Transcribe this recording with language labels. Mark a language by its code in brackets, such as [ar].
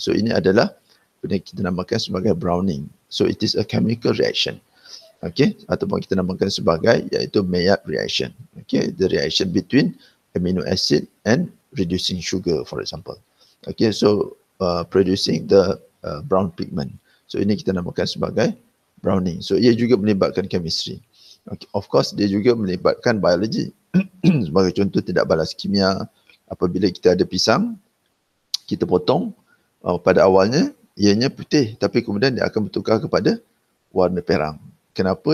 [ms] So ini adalah benda kita namakan sebagai browning. [en] So it is a chemical reaction. [ms] Okey, ataupun kita namakan sebagai iaitu Maillard reaction. [en] Okey, the reaction between amino acid and reducing sugar, for example. Okay, so producing the brown pigment. [ms] So ini kita namakan sebagai browning. So ia juga melibatkan chemistry. Okay, of course, dia juga melibatkan biology. Sebagai contoh, tindak balas kimia. Apabila kita ada pisang, kita potong, pada awalnya ianya putih, tapi kemudian dia akan bertukar kepada warna perang. Kenapa?